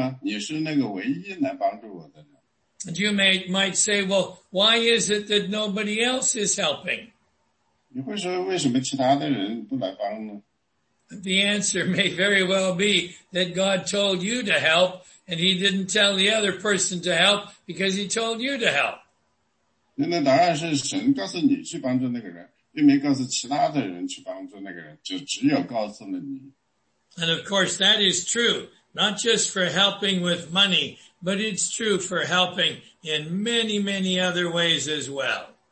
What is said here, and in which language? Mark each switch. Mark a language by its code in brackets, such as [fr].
[zh] 因为你会发现,当你去帮助一个人的时候呢,他们非常感激地说,你知道吗?你是那个唯一能帮助我的人。 [en] And you might say, well, why is it that nobody else is helping? [zh] 你会说为什么其他的人不来帮呢? [en] The answer may very well be that God told you to help and he didn't tell the other person to help because he told you to help. [zh] 那答案是神告诉你去帮助那个人,并没告诉其他的人去帮助那个人,就只有告诉了你。 [en] And of course that is true, not just for helping with money, but it's true for helping in many, many other ways as well.